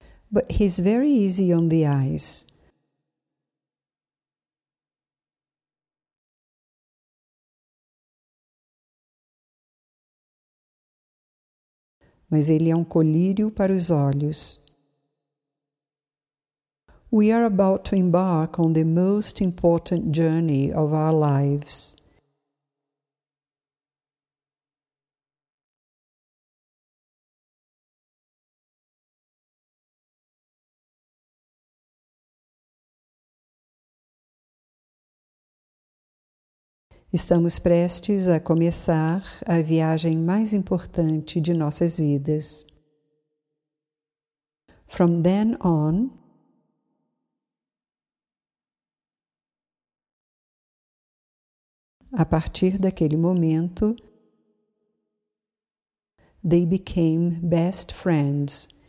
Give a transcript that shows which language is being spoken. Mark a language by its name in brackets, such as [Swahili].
[English] But he's very easy on the eyes. [Portuguese] Mas ele é um colírio para os olhos. [English] We are about to embark on the most important journey of our lives. [Portuguese] Estamos prestes a começar a viagem mais importante de nossas vidas. [English] From then on, [Portuguese] a partir daquele momento, [English] they became best friends.